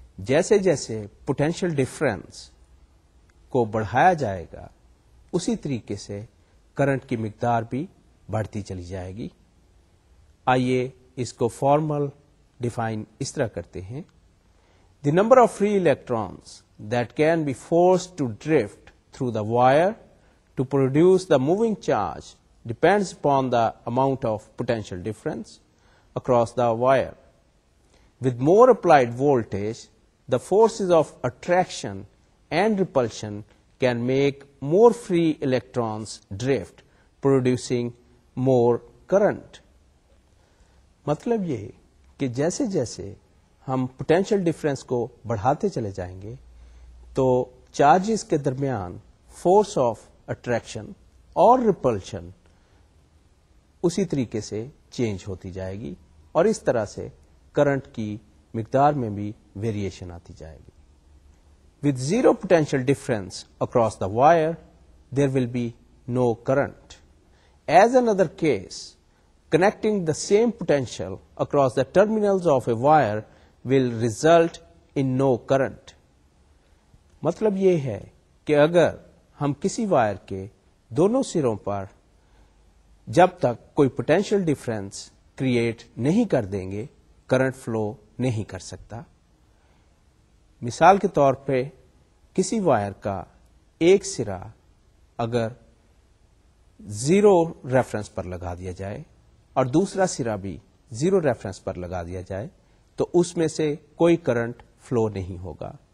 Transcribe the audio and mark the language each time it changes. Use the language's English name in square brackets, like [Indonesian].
[Urdu] جیسے جیسے potential difference کو بڑھایا جائے گا اسی طریقے سے کرنٹ کی مقدار بھی بڑھتی چلی جائے گی. آئیے اس کو فارمل ڈیفائن اس طرح کرتے ہیں. [English] The number of free electrons that can be force to drift through the wire to produce the moving charge depends upon the amount of potential difference across the wire. With more applied voltage, the forces of attraction and repulsion can make more free electrons drift, producing more current. [Urdu] مطلب یہ کہ جیسے جیسے ہم potential difference کو بڑھاتے چلے جائیں گے تو charges کے درمیان force of attraction اور repulsion اسی طریقے سے change ہوتی جائے گی, اور اس طرح سے کرنٹ کی مقدار میں بھی ویریشن آتی جائے گی. [English] With zero potential difference across the wire, there will be no current. As another case, connecting the same potential across the terminals of a wire will result in no current. [Urdu] مطلب یہ ہے کہ اگر ہم کسی وائر کے دونوں سروں پر جب تک کوئی potential difference create نہیں کر دیں گے کرنٹ فلو نہیں کر سکتا. مثال کے طور پہ کسی وائر کا ایک سرا اگر زیرو ریفرنس پر لگا دیا جائے اور دوسرا سرا بھی زیرو ریفرنس پر لگا دیا جائے تو اس میں سے کوئی کرنٹ فلو نہیں ہوگا.